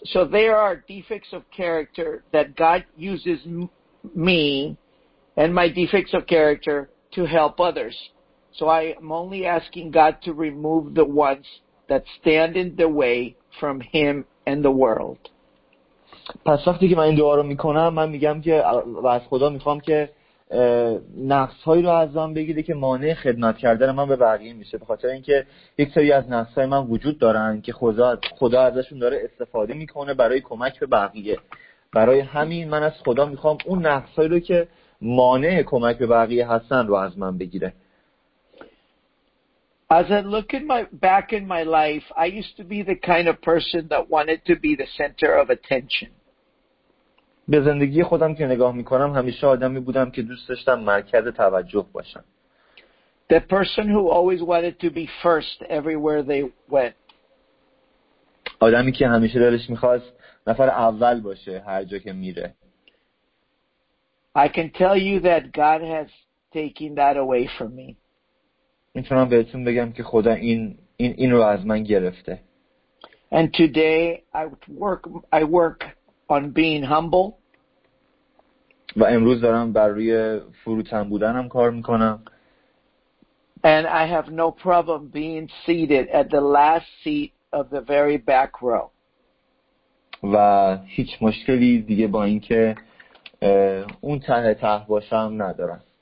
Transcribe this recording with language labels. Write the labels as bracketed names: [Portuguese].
[English] So there are defects of character that God uses me and my defects of character to help others. So I am only asking God to remove the ones that stand in the way from him and the world. [Persian] پس وقتی که من این دعا رو میکنم من میگم که و از خدا میخوام که نقص‌هایی رو از من بگیره که مانع خدمت کردن من به بقیه میشه به خاطر اینکه یک سری از نقص‌های من وجود دارن که خدا ازشون داره استفاده میکنه برای کمک به بقیه. برای همین من از خدا میخوام اون نقص‌هایی رو که مانع کمک به بقیه هستن رو از من بگیره. [English] As I look at my back in my life, I used to be the kind of person that wanted to be the center of attention. [Persian] به زندگی خودم که نگاه میکنم همیشه آدمی بودم که دوست داشتم مرکز توجه باشم. [English] The person who always wanted to be first everywhere they went. [Persian] آدمی که همیشه دلش میخواست نفر اول باشه هر جا که میره. [English] I can tell you that God has taken that away from me. [Persian] میتونم بهتون بگم که خدا این رو از من گرفته. [English] And today I work on being humble. [Persian] و امروز دارم بر روی فروتن بودنم کار میکنم. [English] And I have no problem being seated at the last seat of the very back row. [Persian] و هیچ مشکلی دیگه با اینکه اون ته باشم ندارم.